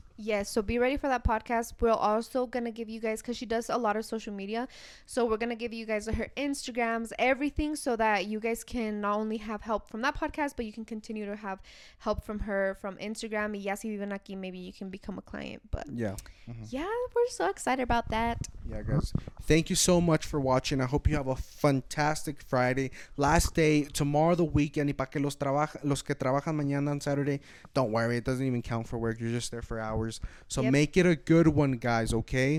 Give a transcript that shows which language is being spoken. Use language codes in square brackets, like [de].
[en] Yes, so be ready for that podcast. We're also going to give you guys, because she does a lot of social media, so we're going to give you guys her Instagrams, everything, so that you guys can not only have help from that podcast, but you can continue to have help from her from Instagram. Yes, even aquí, maybe you can become a client. But yeah. Mm-hmm. Yeah, we're so excited about that. Yeah, guys. Thank you so much for watching. I hope you have a fantastic Friday. Last day, tomorrow the weekend. [es] Y para que los que trabajan mañana [en] on Saturday, don't worry. It doesn't even count for work. You're just there for hours. So yep. Make it a good one, guys, okay?